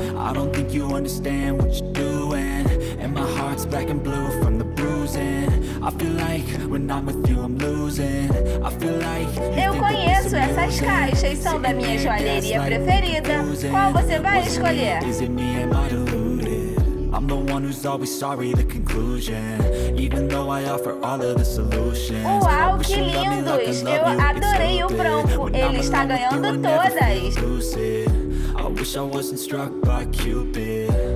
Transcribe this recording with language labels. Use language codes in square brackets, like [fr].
[en] I don't think you understand what you're doing. And my heart's black and blue from the bruising. I feel like when I'm with you, I'm losing. I feel like. [pt] Eu conheço essas caixas, são da minha joalheria preferida. Qual você vai escolher? [en] Is it me? Am I deluded? I'm the one who's always sorry, the conclusion. Even though I offer all of the solutions. [pt] Uau, que lindos! Eu adorei o branco. Ele está ganhando todas. [en] I wish I wasn't struck by Cupid.